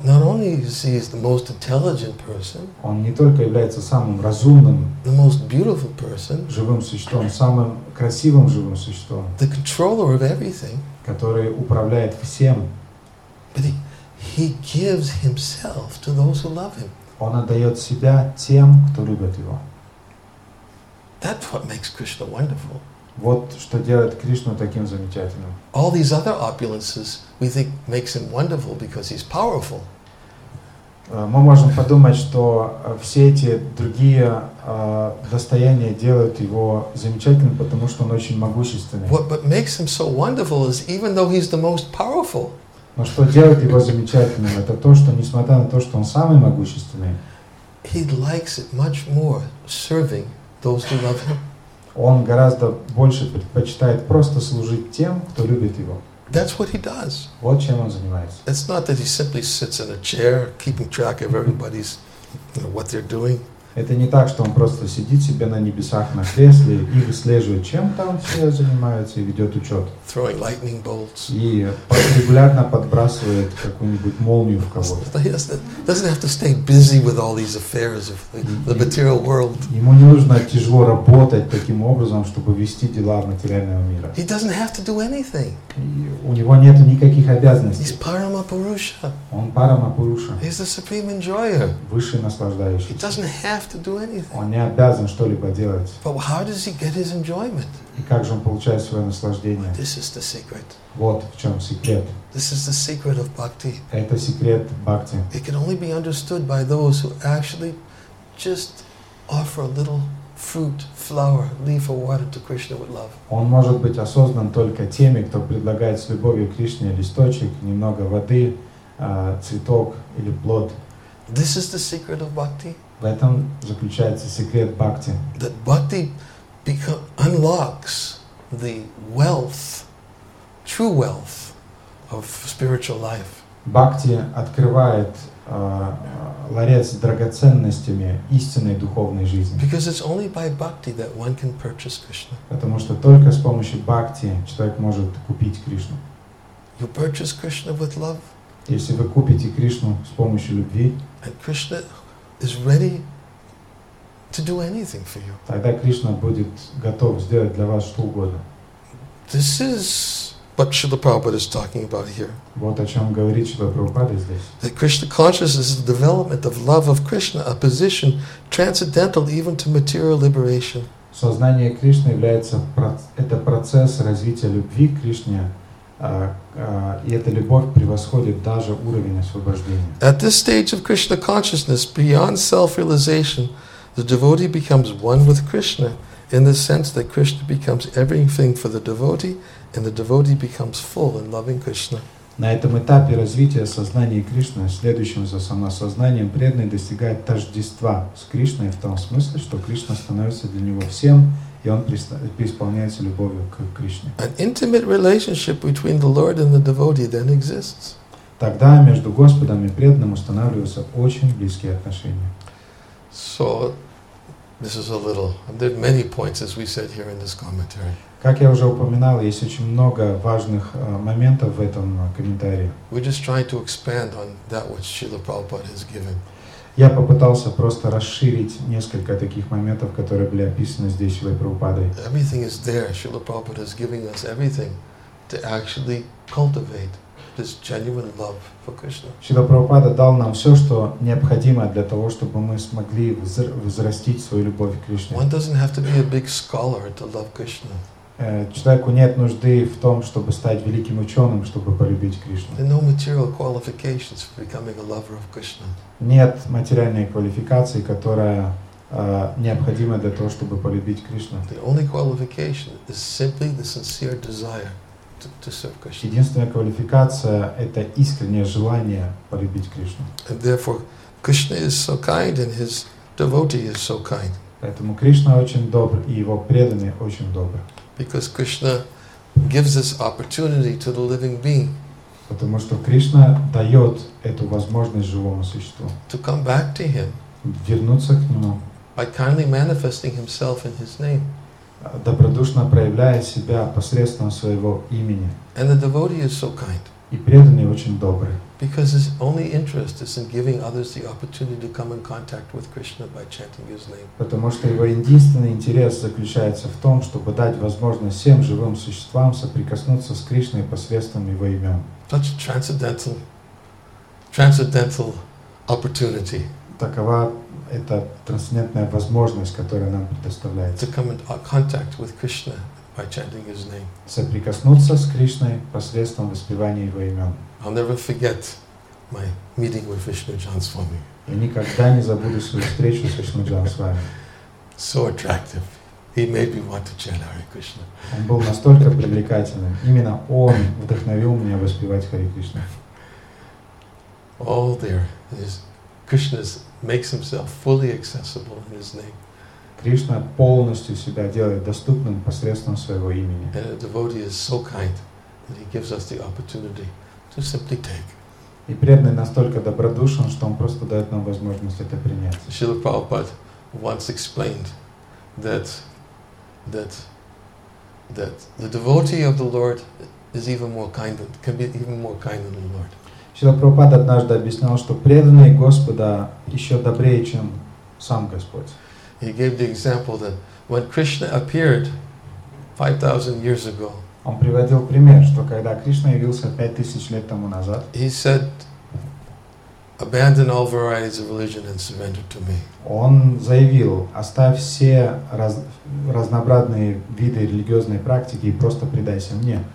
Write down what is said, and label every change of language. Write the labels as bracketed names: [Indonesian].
[English] Not only is he the most intelligent person. [Russian] Он не только является самым разумным. [English] The most beautiful person. [Russian] Живым существом, самым красивым живым существом. [English] The controller of everything. [Russian] Который управляет всем. [English] But he gives himself to those who love him. [Russian] Он отдает себя тем, кто любит его. [English] That's what makes Krishna wonderful. [Russian] Вот что делает Кришну таким замечательным. [English] All these other opulences we think makes him wonderful because he's powerful. [Russian] Мы можем подумать, что все эти другие достояния делают его замечательным, потому что он очень могущественный. [English] What makes him so wonderful is even though he's the most powerful. [Russian] Но что делает его замечательным, это то, что несмотря на то, что он самый могущественный, [English] he likes it much more serving those who love him. [Russian] Он гораздо больше предпочитает просто служить тем, кто любит его. [English] That's what he does. [Russian] Вот чем он занимается. [English] It's not that he simply sits in a chair, keeping track of everybody's, you know, what they're doing. [Russian] Это не так, что он просто сидит себе на небесах на кресле и выслеживает, чем там все занимаются, и ведет учет. [English] Throwing lightning bolts. [Russian] И регулярно подбрасывает какую-нибудь молнию в кого-то. [English] Doesn't have to stay busy with all these affairs of the material world. [Russian] Ему не нужно тяжело работать таким образом, чтобы вести дела материального мира. [English] He doesn't have to do anything. [Russian] У него нет никаких обязанностей. [English] He's Paramapurusha. [Russian] Он Парамапуруша. [English] He's the supreme enjoyer. [Russian] Высший наслаждающийся. [English] He doesn't have to do anything. [Russian] Он не обязан что-либо делать. [English] But how does he get his enjoyment? [Russian] И как же он получает свое наслаждение? [English] This is the secret. [Russian] Вот в чем секрет. [English] This is the secret of bhakti. [Russian] Это секрет бхакти. [English] It can only be understood by those who actually just offer a little fruit, flower, leaf or water to Krishna with love. [Russian] Он может быть осознан только теми, кто предлагает с любовью Кришне листочек, немного воды, цветок или плод. [English] This is the secret of bhakti. [Russian] В этом заключается секрет бхакти. [English] That bhakti unlocks the wealth, true wealth of spiritual life. [Russian] Бхакти открывает ларец с драгоценностями истинной духовной жизни. [English] Because it's only by bhakti that one can purchase Krishna. [Russian] Потому что только с помощью бхакти человек может купить Кришну. [English] You purchase Krishna with love. [Russian] Если вы купите Кришну с помощью любви, [English] and Krishna is ready to do anything for you. [Russian] Тогда Кришна будет готов сделать для вас что угодно. [English] This is what Śrīla Prabhupāda is talking about here. [Russian] Вот о чем говорит Śrīla Prabhupāda здесь. [English] That Krishna consciousness is the development of love of Krishna, a position transcendental even to material liberation. [Russian] Сознание Кришны является это процесс развития любви к Кришне. И эта любовь превосходит даже уровень освобождения. [English] At this stage of Krishna consciousness, beyond self-realization, the devotee becomes one with Krishna in the sense that Krishna becomes everything for the devotee and the devotee becomes full in loving Krishna. [Russian] На этом этапе развития сознания Кришны, следующим за самосознанием, преданный достигает тождества с Кришной в том смысле, что Кришна становится для него всем, и он преисполняется любовью к Кришне. [English] An intimate relationship between the Lord and the devotee then exists. [Russian] Тогда между Господом и преданным устанавливаются очень близкие отношения. [English] So, this is a little. There are many points, as we said here in this commentary. [Russian] Как я уже упоминал, есть очень много важных моментов в этом комментарии. [English] We're just trying to expand on that which Śrīla Prabhupāda has given. [Russian] Я попытался просто расширить несколько таких моментов, которые были описаны здесь Шрилой Прабхупадой. [English] Everything is there. Śrīla Prabhupāda is giving us everything to actually cultivate this genuine love for Krishna. [Russian] Śrīla Prabhupāda дал нам все, что необходимо для того, чтобы мы смогли взрастить свою любовь к Кришне. [English] One doesn't have to be a big scholar to love Krishna. [Russian] Человеку нет нужды в том, чтобы стать великим ученым, чтобы полюбить Кришну. [English] There are no material qualifications for becoming a lover of Krishna. [Russian] Нет материальной квалификации, которая необходимое для того, чтобы полюбить Кришну. [English] The only qualification is simply the sincere desire to serve Krishna. [Russian] Единственная квалификация — это искреннее желание полюбить Кришну. [English] And therefore, Krishna is so kind and his devotee is so kind. [Russian] Поэтому Кришна очень добр, и его преданные очень добры. [English] Because Krishna gives this opportunity to the living being. [Russian] Потому что Кришна дает эту возможность живому существу. [English] To come back to him. [Russian] Вернуться к нему. [English] By kindly manifesting himself in his name. [Russian] Добродушно проявляя себя посредством своего имени. [English] And the devotee is so kind. [Russian] И преданный очень добрый. [English] Because his only interest is in giving others the opportunity to come in contact with Krishna by chanting his name. [Russian] Потому что его единственный интерес заключается в том, чтобы дать возможность всем живым существам соприкоснуться с Кришной посредством его имен. [English] Such a transcendental opportunity. [Russian] Такова эта трансцендентная возможность, которая нам предоставляется. [English] To come in contact with Krishna by chanting his name. [Russian] Соприкоснуться с Кришной посредством воспевания его имен. [English] I'll never forget my meeting with Vishnu Janaswami. [Russian] Я никогда не забуду свою встречу с Вишну Джанасвами. [English] So attractive. He made me want to chant Hare Krishna. [Russian] Он был настолько привлекательным. Именно он вдохновил меня воспевать Харе Кришна. [English] All there is Krishna makes himself fully accessible in his name. [Russian] Кришна полностью себя делает доступным посредством своего имени. [English] And a devotee is so kind that he gives us the opportunity to simply take. [Russian] И преданный настолько добродушен, что он просто дает нам возможность это принять. [English] Шрила Прабхупада once explained that the devotee of the Lord is even more kind than, can be even more kind than the Lord. [Russian] Шрила Прабхупада однажды объяснял, что преданный Господа еще добрее, чем сам Господь. [English] He gave the example that when Krishna appeared 5,000 years ago. [Russian] Он приводил пример, что когда Кришна явился 5000 лет тому назад, [English] he said, "Abandon all varieties of religion and surrender to me." [Russian] Он заявил: "Оставь все разнообразные виды религиозной практики и просто предайся мне."